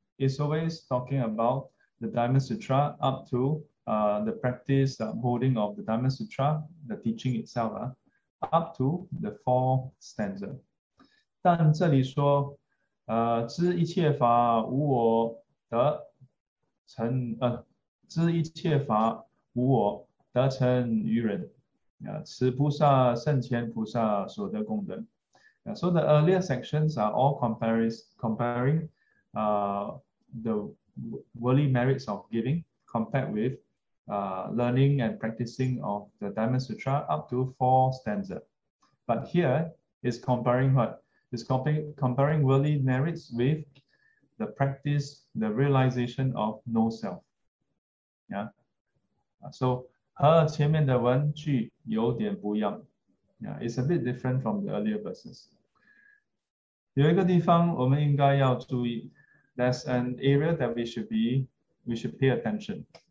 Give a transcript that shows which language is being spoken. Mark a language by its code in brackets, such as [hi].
[en] It's always talking about the Diamond Sutra up to the practice holding of the Diamond Sutra, the teaching itself, up to the four stanza. [zh] 但这里说, 知一切法无我得成于人, 此菩萨圣前菩萨所得功德. [en] So the earlier sections are all comparing the worldly merits of giving compared with learning and practicing of the Diamond Sutra up to four stanza. But here is comparing what? Is comparing worldly merits with the practice, the realization of no self. Yeah. [zh] So 和前面的文句有点不一样. [en] Yeah, it's a bit different from the earlier verses. [zh] 有一个地方我们应该要注意. [en] That's an area that we should pay attention.